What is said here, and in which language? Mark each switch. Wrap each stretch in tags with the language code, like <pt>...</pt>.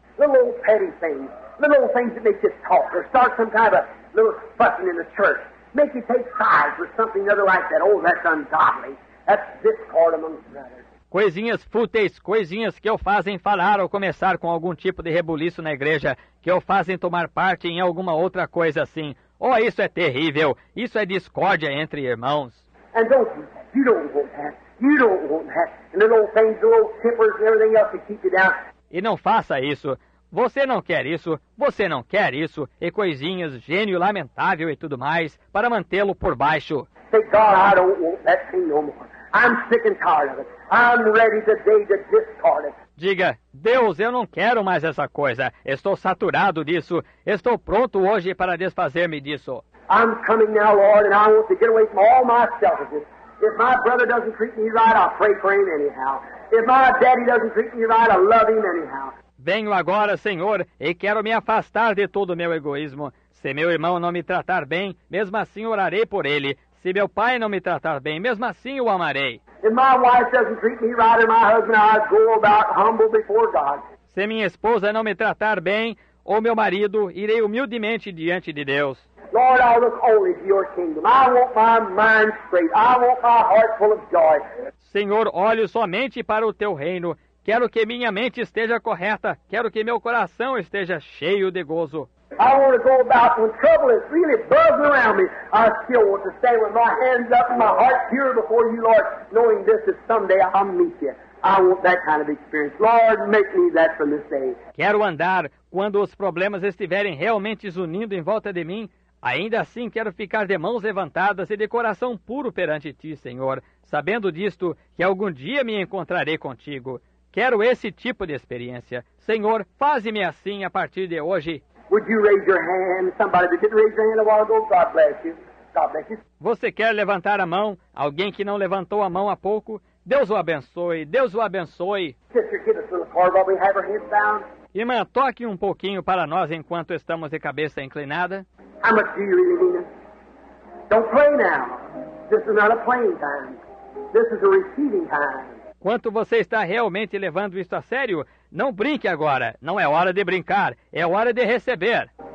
<en>Little old petty things. Little old things that make you talk or start some kind of a little fussing in the church. Make you take sides with something other like that. Oh, that's ungodly. That's discord among brothers.</en> <pt>Coisinhas fúteis, coisinhas que o fazem falar ou começar com algum tipo de rebuliço na igreja, que o fazem tomar parte em alguma outra coisa assim. Oh, isso é terrível! Isso é discórdia entre irmãos.</pt> <en>And don't do that. You don't want that. You don't want that. And little old things, little old tempers and everything else to keep you down.</en> <pt>E não faça isso. Você não quer isso. Você não quer isso. E coisinhas, gênio lamentável e tudo mais, para mantê-lo por baixo.</pt> <en>Say, God, I don't want that thing no more. I'm sick and tired of it. I'm ready today to discard it.</en> <pt>Diga, Deus, eu não quero mais essa coisa. Estou saturado disso. Estou pronto hoje para desfazer-me disso.</pt> <en>I'm coming now, Lord, and I want to get away from all my selfishness. If my brother doesn't treat me right, I'll pray for him anyhow. If my daddy doesn't treat me right, I'll love him anyhow.</en> <pt>Venho agora, Senhor, e quero me afastar de todo o meu egoísmo. Se meu irmão não me tratar bem, mesmo assim orarei por ele. Se meu pai não me tratar bem, mesmo assim o amarei.</pt> <en>If my wife doesn't treat me right, and my husband, I go about humble before God.</en> <pt>Se minha esposa não me tratar bem, ou meu marido, irei humildemente diante de Deus.</pt> <en>Lord, I look only to your kingdom. I want my mind straight. I want my heart full of joy.</en> <pt>Senhor, olho somente para o teu reino. Quero que minha mente esteja correta. Quero que meu coração esteja cheio de gozo.</pt> <en>I want to go about when trouble is really buzzing around me. I still want to stand with my hands up and my heart pure before you, Lord, knowing this is someday I'll meet you. I want that kind of experience. Lord, make me that from this day.</en> <pt>Quero andar quando os problemas estiverem realmente zunindo em volta de mim. Ainda assim, quero ficar de mãos levantadas e de coração puro perante ti, Senhor, sabendo disto que algum dia me encontrarei contigo. Quero esse tipo de experiência. Senhor, faze-me assim a partir de hoje.</pt> <en>Would you raise your hand? Somebody that didn't raise their hand a while ago, God bless you. God bless you.</en> <pt>Você quer levantar a mão? Alguém que não levantou a mão há pouco? Deus o abençoe. Deus o abençoe.</pt> <en>Sister, give us a little card while we have our heads down.</en> <pt>Irmã, toque um pouquinho para nós enquanto estamos de cabeça inclinada.</pt> <en>How much do you really mean? Don't play now. This is not a playing time. This is a receiving time.</en> <pt>Quanto você está realmente levando isso a sério? Não brinque agora. Não é hora de brincar. É hora de receber.</pt>